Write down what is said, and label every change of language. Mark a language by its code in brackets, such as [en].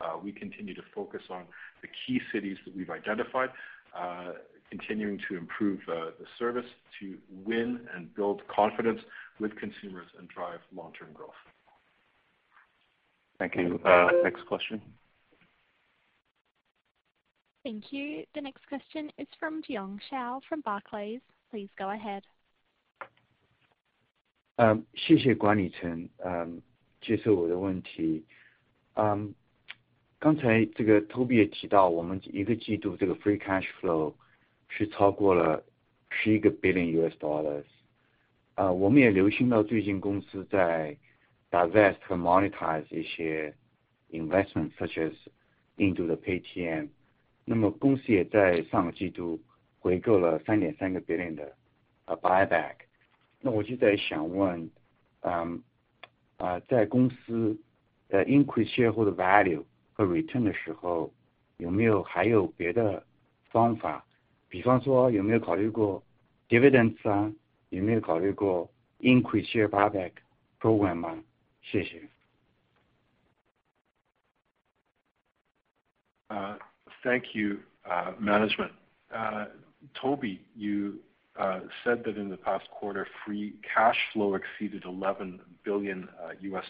[en] We continue to focus on the key cities that we've identified, continuing to improve the service to win and build confidence with consumers and drive long-term growth. Thank you. Next question. Thank you. The next question is from Jiong Shao from Barclays. Please go ahead. [zh] 谢谢管理层接受我的问题。刚才这个 Toby 也提到，我们一个季度这个 [en] free cash flow [zh] 是超过了$11 billion。我们也留心到最近公司在 divest 和 monetize 一些 investment， [en] such as [zh] 印度的 Paytm。那么公司也在上个季度回购了$3.3 billion的 buyback。那我就在想问，在公司 [en] increase shareholder value [zh] 和 return 的时候，有没有还有别的方法？比方说有没有考虑过 dividends 啊？有没有考虑过 [en] increase share buyback program [zh] 吗？谢谢。 [en] Thank you, management. Toby, you said that in the past quarter, free cash flow exceeded $11 billion U.S.